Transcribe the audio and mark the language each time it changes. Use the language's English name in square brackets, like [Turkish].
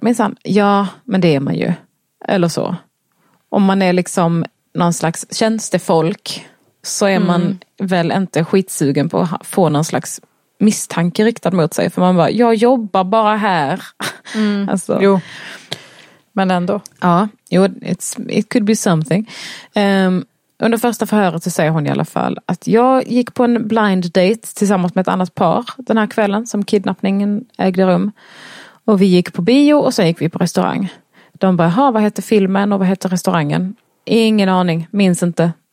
[Swedish] Men sen, ja, men det är man ju. Eller så. Om man är liksom någon slags tjänstefolk så är man väl inte skitsugen på att få någon slags misstanke riktad mot sig. För man bara, jag jobbar bara här. Mm. Alltså. Jo. Men ändå. [English] Ja, it could be something. [Swedish] Under första förhöret så säger hon i alla fall att jag gick på en blind date tillsammans med ett annat par den här kvällen som kidnappningen ägde rum. Och vi gick på bio och sen gick vi på restaurang. De bara, ha, vad heter filmen och vad heter restaurangen? Ingen aning, minns inte.